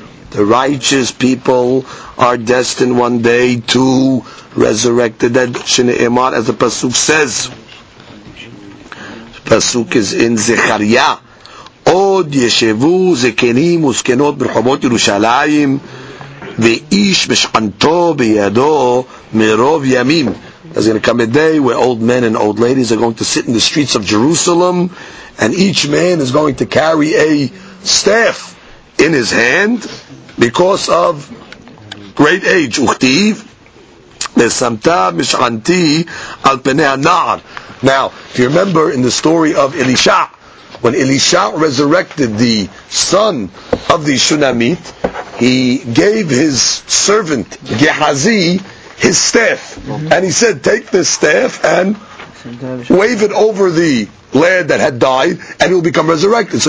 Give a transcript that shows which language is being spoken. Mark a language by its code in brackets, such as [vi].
[en] The righteous people are destined one day to resurrect the dead. [he] Shnei emar, [en] as the pasuk says. Pasuk is in Zechariah. [he] עוד ישבו זקנים וזקנות ברחובות ירושלים ואיש משענתו בידו מרוב ימים. [en] There's going to come a day where old men and old ladies are going to sit in the streets of Jerusalem, and each man is going to carry a staff in his hand because of great age. [he] וכתיב ושמתה משענתי על פני הנער. [en] Now, if you remember in the story of Elisha, when Elisha resurrected the son of the Shunammite, he gave his servant Gehazi his staff. And he said, take this staff and wave it over the lad that had died and he will become resurrected.